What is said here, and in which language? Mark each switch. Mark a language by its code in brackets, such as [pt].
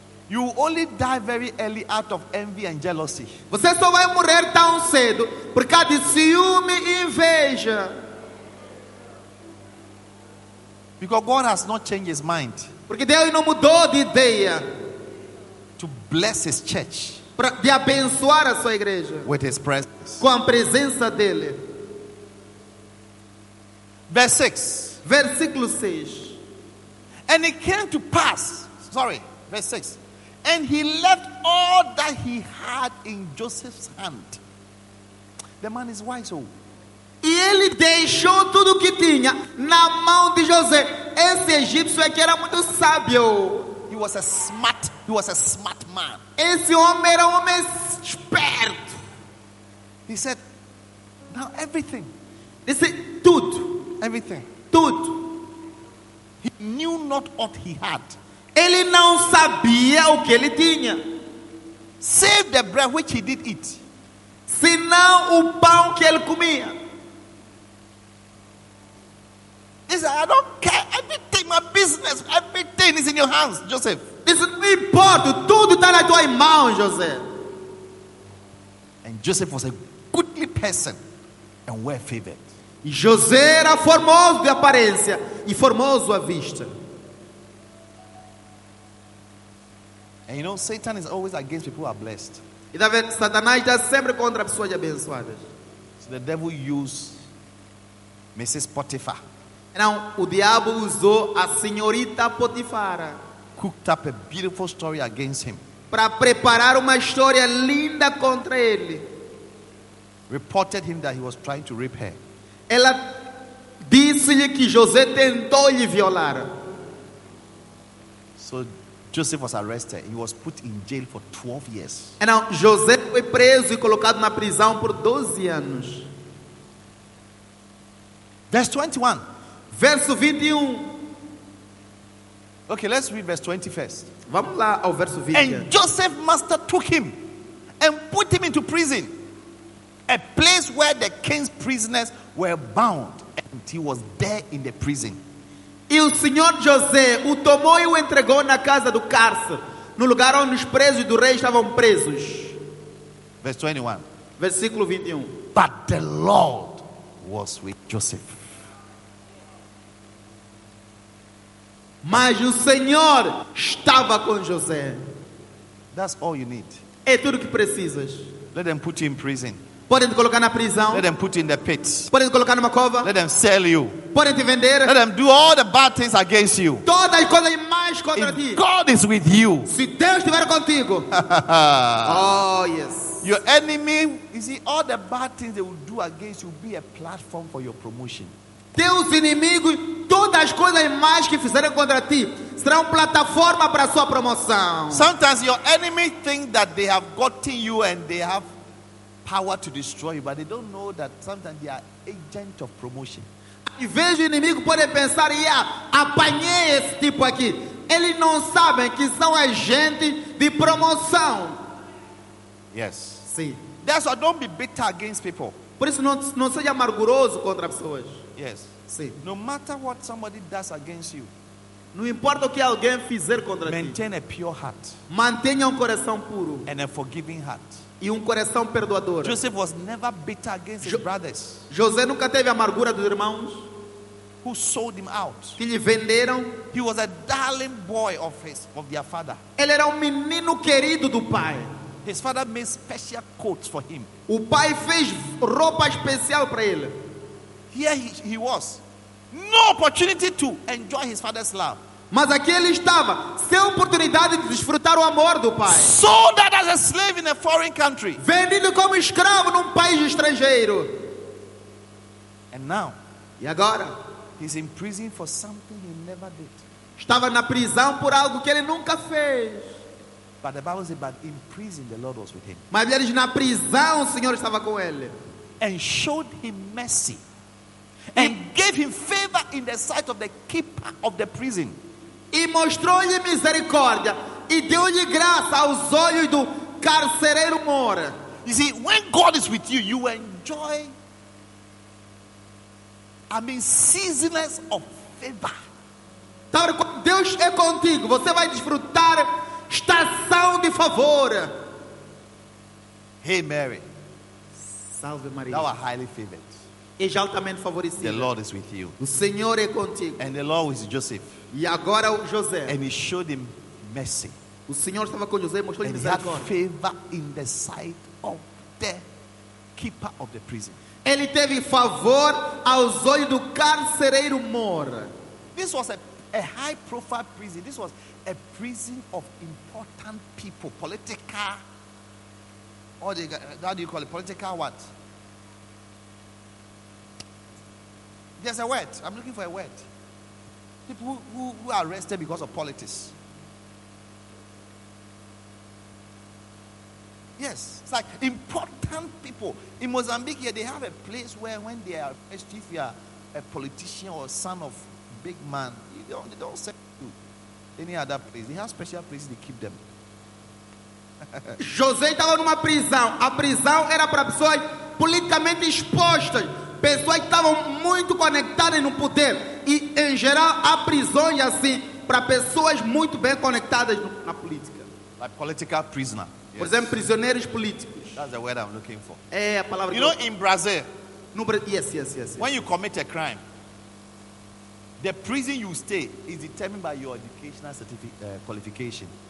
[en] You only die very early out of envy and jealousy. [pt] Você só vai morrer tão cedo por causa de ciúme e inveja. [en] Because God has not changed his mind. [pt] Porque Deus não mudou de ideia. [en] To bless his church. [pt] Para de abençoar a sua igreja. [en] With his presence. [pt] Com a presença dele. [en] Verse 6. [pt] Versículo 6. [en] And it came to pass. Sorry. Verse 6. And he left all that he had in Joseph's hand. The man is wise. [pt] E ele deixou tudo que tinha na mão de José. Esse egípcio é que era muito sábio. [en] He was a smart man. [pt] Esse homem era um homem esperto. [en] He said, now everything. He said, [pt] tudo. [en] Everything. [pt] Tudo. [en] He knew not what he had. [pt] Ele não sabia o que ele tinha. [en] Save the bread which he did eat. [pt] Senão o pão que ele comia. [en] He said, I don't care. Everything, my business, everything is in your hands, Joseph. [pt] Isso não importa, tudo está na tua mão, José. [en] And Joseph was a goodly person and well favored. [pt] E José era formoso de aparência e formoso à vista. [en] And you know, Satan is always against people who are blessed. [pt] E da vez, Satanás está sempre contra pessoas abençoadas. [en] So the devil used Mrs. Potiphar. [pt] Não, o diabo usou a senhorita Potifara. [en] Cooked up a beautiful story against him. [pt] Para preparar uma história linda contra ele. [en] Reported him that he was trying to rape her. [pt] Ela disse-lhe que José tentou lhe violar. [en] So Joseph was arrested. He was put in jail for 12 years. [pt] Não, José foi preso e colocado na prisão por 12 anos. [en] Verse 21. [pt] Verso 21. [en] Okay, let's read verse 20 first. [pt] Vamos lá ao verso 20. [en] And Joseph's master took him and put him into prison, a place where the king's prisoners were bound, and he was there in the prison. [pt] E o senhor José o tomou e o entregou na casa do cárcere, no lugar onde os presos do rei estavam presos. [en] Verse 21. [pt] Versículo 21. [en] But the Lord was with Joseph. [pt] Mas o Senhor estava com José. [en] That's all you need. [pt] É tudo que precisas. [en] Let them put you in prison. [pt] Podem te colocar na prisão. [en] Let them put you in the pit. [pt] Podem te colocar numa cova. [en] Let them sell you. [pt] Podem te vender. [en] Let them do all the bad things against you. [pt] Todas as coisas mais contra [en] if [pt] ti. [en] God is with you. [pt] Se Deus estiver contigo. [en] Oh yes. Your enemy, you see, all the bad things they will do against you will be a platform for your promotion. [pt] Teus inimigos, todas as coisas mais que fizeram contra ti, serão plataforma para sua promoção. [en] Sometimes your enemy think that they have gotten you and they have power to destroy you, but they don't know that sometimes they are agent of promotion. [pt] E vejo inimigo pode pensar, apanhei esse tipo aqui. Eles não sabem que são agente de promoção. [en] Yes. [pt] Sim. [en] That's why don't be bitter against people. [pt] Por isso não seja amarguroso contra pessoas. [en] Yes. [pt] Sim. [en] No matter what somebody does against you. [pt] Não importa o que alguém fizer contra [en] maintain [pt] ti. [en] Maintain a pure heart. [pt] Mantenha coração puro. [en] And a forgiving heart. [pt] E coração perdoador. [en] Joseph was never bitter against his brothers. [pt] José nunca teve amargura dos irmãos. [en] Who sold him out? [pt] Que lhe venderam. [en] He was a darling boy of his of their father. [pt] Ele era menino querido do pai. [en] His father made special coats for him. [pt] O pai fez roupa especial para ele. [en] Here he was. No opportunity to enjoy his father's love. [pt] Mas aqui ele estava, sem oportunidade de desfrutar o amor do pai. [en] Sold out as a slave in a foreign country. [pt] Vendido como escravo num país estrangeiro. [en] And now, [pt] e agora, [en] he's in prison for something he never did. [pt] Estava na prisão por algo que ele nunca fez. [en] But the Bible says, but in prison the Lord was with him. [pt] Mas ele diz, na prisão o Senhor estava com ele. [en] And showed him mercy. And gave him favor in the sight of the keeper of the prison. [pt] E mostrou-lhe misericórdia e deu-lhe graça aos olhos do carcereiro mora. [en] You see, when God is with you, you enjoy seasons of favor. [pt] Então, quando Deus é contigo, você vai desfrutar estação de favor. [en] Hey Mary. [pt] Salve Maria. [en] Thou art highly favored. [pt] E altamente favorecido. [en] The Lord is with you. [pt] O Senhor é contigo. [en] And the Lord is Joseph. [pt] E agora o José. [en] And he showed him mercy. [pt] O Senhor estava com José e mostrou-lhe misericórdia. [en] And he had favor in the sight of the keeper of the prison. [pt] Ele teve favor aos olhos do carcereiro mor. [en] This was a high profile prison. This was a prison of important people, political. Or the, how do you call it? Political what? There's a word. I'm looking for a word. People who are arrested because of politics. Yes. It's like important people. In Mozambique, here, they have a place where when they are arrested, if you are a politician or son of big man, they don't send you to any other place. They have special places to keep them. [pt] José estava numa prisão. A prisão era para pessoas politicamente expostas. Pessoas que estavam muito conectadas no poder. E em geral há prisões assim para pessoas muito bem conectadas na política. [en] Like political prisoner. [pt] Por exemplo, prisioneiros políticos. [en] That's the word I'm looking for. [pt] É a palavra. [en] You know, in Brazil. [pt] No Brasil. [en] Yes. When you commit a crime, the prison you stay is determined by your educational qualification.